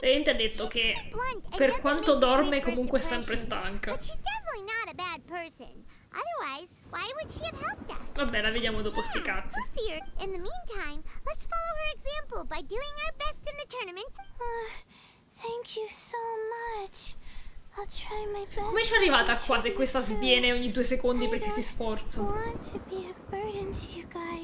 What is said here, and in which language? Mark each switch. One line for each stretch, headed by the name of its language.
Italian: E niente ha detto che... Per quanto dorme, comunque è sempre stanca.
English: But she's definitely not a bad person. Otherwise, why would she have helped us?
Italian: Vabbè, la vediamo dopo sti cazzi.
English: We'll see her. In the meantime, let's follow her example by doing our best in the tournament. Thank you so much. I'll try my best.
Italian: Come ci è arrivata qua se questa sviene ogni due secondi perché si sforza?
English: I want to be a burden to you guys.